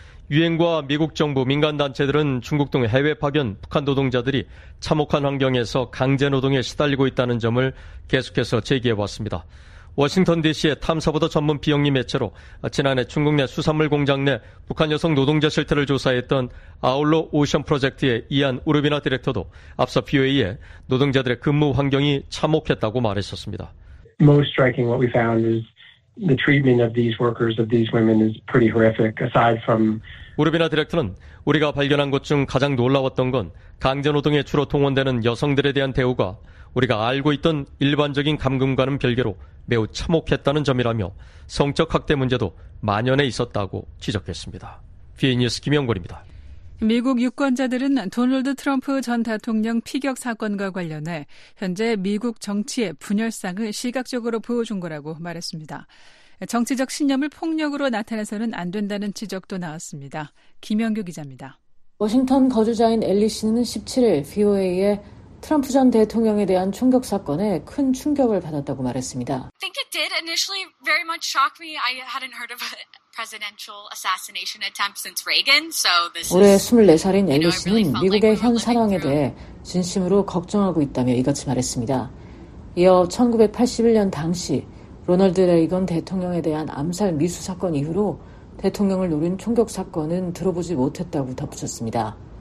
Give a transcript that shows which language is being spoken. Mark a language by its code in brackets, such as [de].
[ko] 유엔과 미국 정부, 민간단체들은 중국 등 해외 파견 북한 노동자들이 참혹한 환경에서 강제노동에 시달리고 있다는 점을 계속해서 제기해왔습니다. 워싱턴 DC의 탐사보도 전문 비영리 매체로 지난해 중국 내 수산물 공장 내 북한 여성 노동자 실태를 조사했던 아울러 오션 프로젝트의 이안 우르비나 디렉터도 앞서 BOA에 노동자들의 근무 환경이 참혹했다고 말했었습니다. [en] Most striking what we found is the treatment of these workers, of these women is pretty horrific. Aside from [ko] 우르비나 디렉터는 우리가 발견한 것 중 가장 놀라웠던 건 강제노동에 주로 동원되는 여성들에 대한 대우가 우리가 알고 있던 일반적인 감금과는 별개로 매우 참혹했다는 점이라며 성적 학대 문제도 만연해 있었다고 지적했습니다. VN 뉴스 김영곤입니다. 미국 유권자들은 도널드 트럼프 전 대통령 피격 사건과 관련해 현재 미국 정치의 분열상을 시각적으로 보여준 거라고 말했습니다. 정치적 신념을 폭력으로 나타내서는 안 된다는 지적도 나왔습니다. 김영규 기자입니다. 워싱턴 거주자인 엘리 씨는 17일 VOA에 트럼프 전 대통령에 대한 충격 사건에 큰 충격을 받았다고 말했습니다. [en] I think it did initially very much shock me. I hadn't heard of a presidential assassination attempt since Reagan. So this is [ko] 올해 24살인 엘리 씨는 미국의 현 상황에 대해 진심으로 걱정하고 있다며 이같이 말했습니다. 이어 1981년 당시 로널드 레이건 대통령에 대한 암살 미수 사건 이후로 대통령을 노린 총격 사건은 들어보지 못했다고 덧붙였습니다.